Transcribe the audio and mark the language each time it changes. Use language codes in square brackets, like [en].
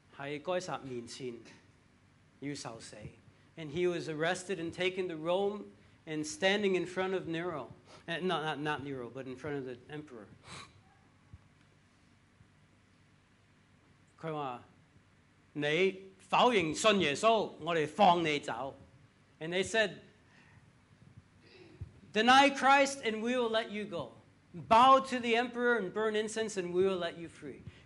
[zh] 一个教会的领导人拉了坐去罗马在该撒面前要受死 [en] And he was arrested and taken to Rome and standing in front of Nero. Not Nero, but in front of the emperor. [zh] 他说,你否认信耶稣,我们放你走。 [en] And they said, Deny Christ and we will let you go. Bow to the emperor and burn incense and we will let you free.